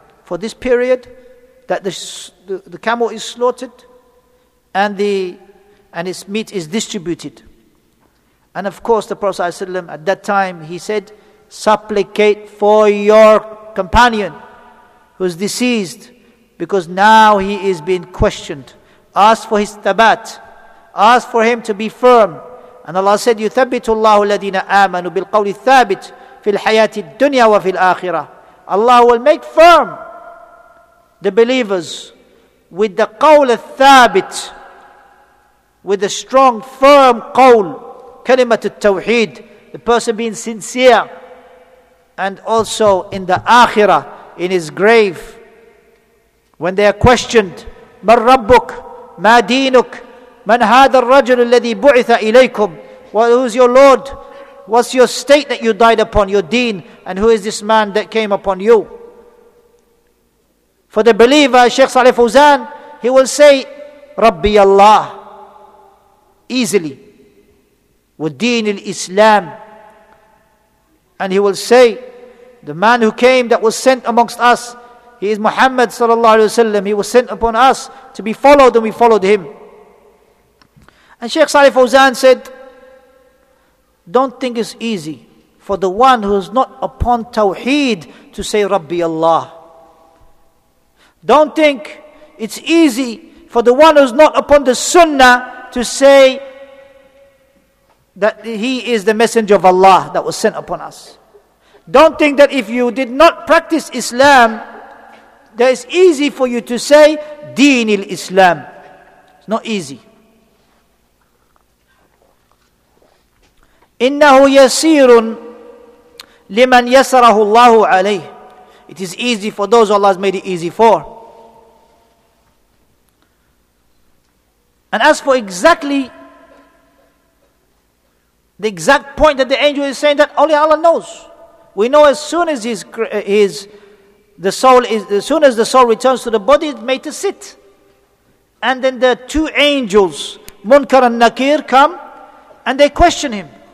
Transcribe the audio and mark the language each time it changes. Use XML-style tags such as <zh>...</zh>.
<en>For this period that the camel is slaughtered and its meat is distributed. And of course the Prophet ﷺ at that time, he said, supplicate for your companion who's deceased, because now he is being questioned. Ask for his thabat. Ask for him to be firm. And Allah said,</en> <ar>يُثَبِّتُ اللَّهُ الَّذِينَ آمَنُوا بِالْقَوْلِ الثَّابِتِ فِي الْحَيَاةِ الدُّنْيَا وَفِي الْآخِرَةِ.</ar> <en>Allah will make firm the believers with the qawl al-thabit, with a strong, firm qawl, kalimat al-tawheed, the person being sincere. And also in the akhirah, in his grave, when they are questioned,</en> <ar>مَا رَبُّكْ مَا دِينُكْ من هذا الرجل الذي بعث إليكم؟</ar> <en>Who's your Lord? What's your state that you died upon, your deen? And who is this man that came upon you? For the believer, Shaykh Saleh Fawzan, he will say, Rabbi Allah, easily, with deen al-Islam. And he will say, the man who came that was sent amongst us, he is Muhammad sallallahu alayhi wa sallam. He was sent upon us to be followed and we followed him. And Shaykh Saleh Fawzan said, don't think it's easy for the one who is not upon Tawheed to say Rabbi Allah. Don't think it's easy for the one who is not upon the Sunnah to say that he is the Messenger of Allah that was sent upon us. Don't think that if you did not practice Islam, that it's easy for you to say Deen al-Islam. It's not easy.</en> <ar>إنه يسير لمن يسره الله عليه.</ar> <en>It is easy for those Allah has made it easy for. And as for exactly the exact point that the angel is saying, that only Allah knows. We know as soon as the soul returns to the body, it's made to sit, and then the two angels, Munkar and Nakir, come and they question him.</en>